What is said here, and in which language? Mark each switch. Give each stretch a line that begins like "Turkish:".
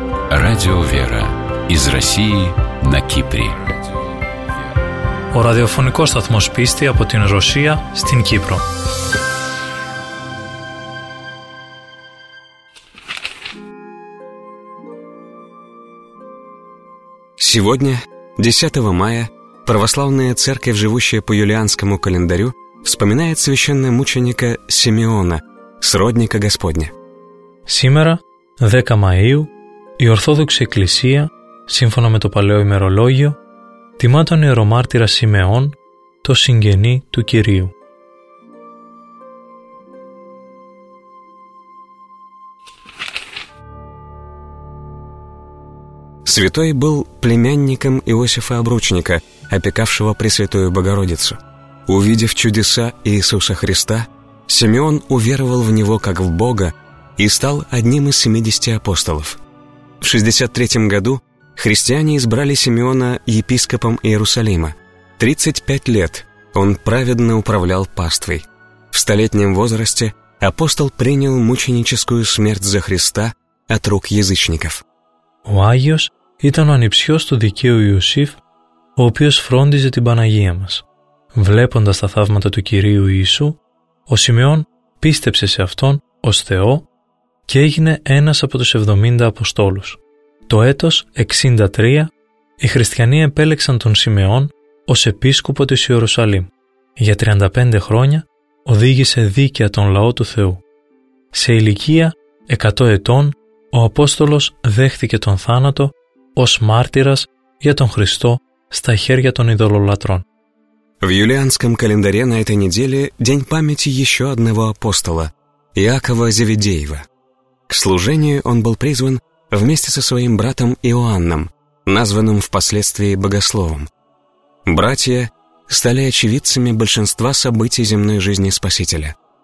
Russian: Радио «Вера» из России на Кипре.
Greek: Ο ραδιοφωνικός σταθμός πίστη από την Ρωσία στην Κύπρο.
Russian: Сегодня, 10 мая, православная церковь, живущая по юлианскому календарю, вспоминает священного мученика Симеона, сродника Господня. Сегодня, 10 мая,
Greek: η Ορθόδοξη Εκκλησία, σύμφωνα με το παλαιό ημερολόγιο, τιμά τον ιερομάρτυρα Σιμεών, το συγγενή του Κυρίου.
Russian: Святой был племянником Иосифа Обручника, опекавшего Пресвятую Богородицу. Увидев чудеса Иисуса Христа, Симеон уверовал в Него как в Бога и стал одним из 70 апостолов. В 63 году христиане избрали Симеона епископом Иерусалима. 35 лет он праведно управлял паствой. В столетнем возрасте апостол принял мученическую смерть за Христа от рук язычников.
Greek: У Агиос ήταν ο ανιψιός του δικαίου Ιωσήφ, ο οποίος φρόντιζε την Παναγία μας. Βλέποντας τα θαύματα του Κυρίου Ιησού, ο Σιμεών πίστεψε σε Αυτόν ως Θεό και έγινε ένας από τους 70 Αποστόλους. Το έτος 63, οι χριστιανοί επέλεξαν τον Σιμεών ως επίσκοπο της Ιερουσαλήμ. Για 35 χρόνια οδήγησε δίκαια τον λαό του Θεού. Σε ηλικία 100 ετών, ο Απόστολος δέχτηκε τον θάνατο ως μάρτυρας για τον Χριστό στα χέρια των ειδωλολατρών.
Russian: В юлианском календаре на этой неделе день памяти еще одного апостола – Иакова Зеведеева. К служению он был призван вместе со своим братом Иоанном, названным впоследствии Богословом. Братья стали очевидцами большинства событий земной жизни Спасителя.